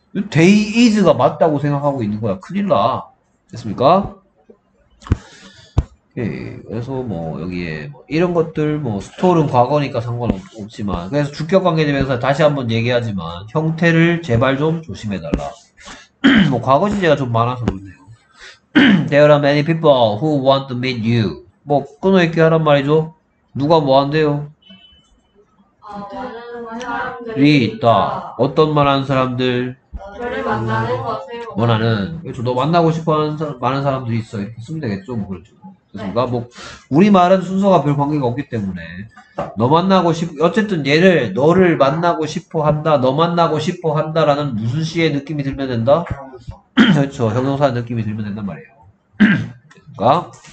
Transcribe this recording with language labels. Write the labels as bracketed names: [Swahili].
[English] They is [Korean] 가 맞다고 생각하고 있는 거야. 큰일 나. 됐습니까? 그래서 뭐 여기에 뭐 이런 것들 뭐 스톨은 과거니까 상관없지만 그래서 주격관계대명사 다시 한번 얘기하지만 형태를 제발 좀 조심해달라. 뭐 과거시제가 좀 많아서 그렇네요. [English] There are many people who want to meet you. [Korean] 뭐 끊어있게 하란 말이죠. 누가 뭐 한대요? 원하는 사람들이 있다. 어떤 말하는 사람들? 저를 만나는 것을 원하는. 그렇죠. 너 만나고 싶어하는 많은 사람들이 있어. 이렇게 쓰면 되겠죠. 뭐 그렇죠. 그니까 뭐 우리 말은 순서가 별 관계가 없기 때문에 너 만나고 싶 어쨌든 얘를 너를 만나고 싶어 한다 너 만나고 싶어 한다라는 무슨 시의 느낌이 들면 된다 그렇죠 형용사의 느낌이 들면 된단 말이에요 그니까